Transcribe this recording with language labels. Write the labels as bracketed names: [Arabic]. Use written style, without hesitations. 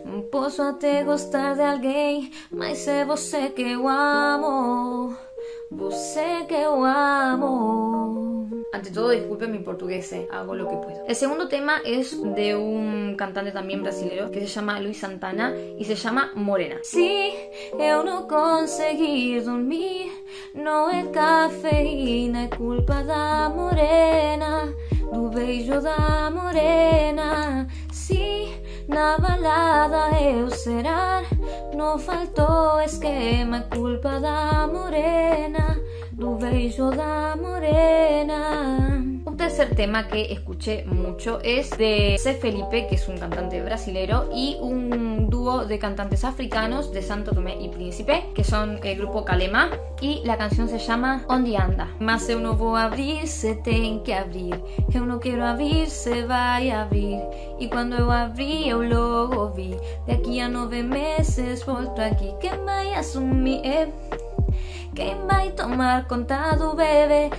[Portuguese] Posso até gostar de alguém, mas é você que eu amo. Você que eu amo. [Spanish] Ante todo, disculpe mi portugués, hago lo que puedo. El segundo tema es de un cantante también brasileño que se llama Luis Santana y se llama Morena. [Portuguese] Si eu não conseguir dormir, não é cafeína, é culpa da morena, do beijo da morena. Si na balada eu serar, não faltou esquema, é culpa da morena, do beijo da morena. [Spanish] Un tercer tema que escuché mucho es de C. Felipe, que es un cantante brasilero, y un dúo de cantantes africanos de Santo Tomé y Príncipe, que son el grupo Kalema, y la canción se llama Onde Anda. [Portuguese] Mas eu não vou abrir, se tem que abrir. Eu não quero abrir, se vai abrir. E quando eu abri, eu logo vi. De aqui a 9 meses, volto aqui. Que vai assumir? Quem vai tomar conta do bebê?